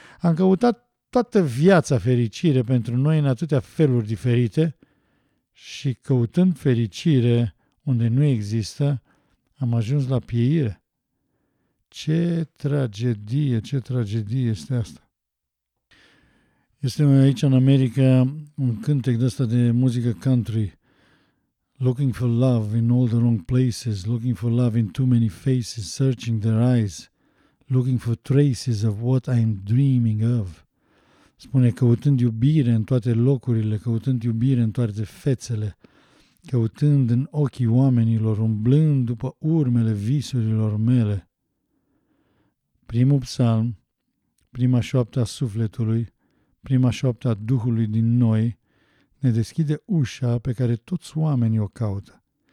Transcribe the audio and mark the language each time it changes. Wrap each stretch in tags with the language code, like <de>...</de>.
<ro>Am căutat toată viața fericire pentru noi în atâtea feluri diferite și căutând fericire unde nu există, am ajuns la pieire. Ce tragedie este asta! Este aici în America un cântec de-asta de muzică country.</ro> <en>Looking for love in all the wrong places, looking for love in too many faces, searching their eyes, looking for traces of what I'm dreaming of.</en> <ro>Spune, căutând iubire în toate locurile, căutând iubire în toate fețele, căutând în ochii oamenilor, umblând după urmele visurilor mele. Primul psalm, prima șoaptă a sufletului, prima șoaptă a Duhului din noi, ne deschide ușa pe care toți oamenii o caută.</ro>